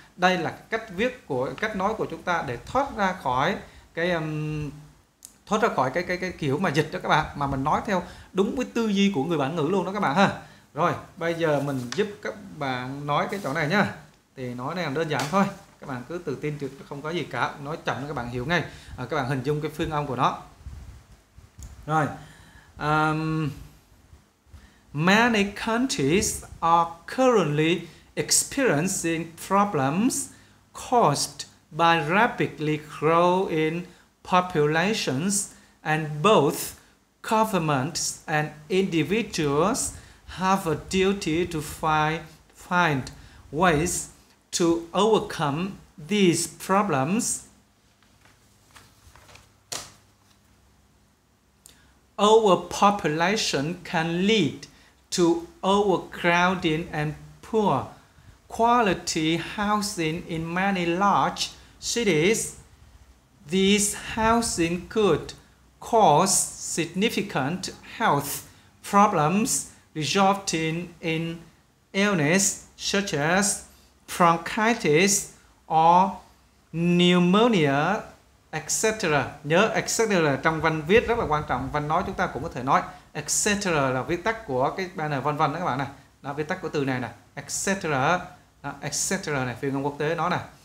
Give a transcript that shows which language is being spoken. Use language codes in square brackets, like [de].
[vi] Đây là cách nói của chúng ta để thoát ra khỏi cái kiểu mà dịch đó các bạn, mà mình nói theo đúng với tư duy của người bản ngữ luôn đó các bạn ha. Rồi, bây giờ mình giúp các bạn nói cái chỗ này nhá. Thì nói này là đơn giản thôi. Các bạn cứ tự tin, không có gì cả, nói chậm các bạn hiểu ngay. Các bạn hình dung cái phương âm của nó. Rồi. [en] Many countries are currently experiencing problems caused by rapidly growing populations, and both governments and individuals have a duty to find ways to overcome these problems. Overpopulation can lead to overcrowding and poor quality housing in many large cities. These housing could cause significant health problems, resulting in illness such as bronchitis or pneumonia, etc. [vi] Nhớ etc trong văn viết rất là quan trọng, văn nói chúng ta cũng có thể nói etc là viết tắt của cái banner văn văn đó các bạn này, đó viết tắt của từ này nè, etc này, phiên ngôn quốc tế nó nè.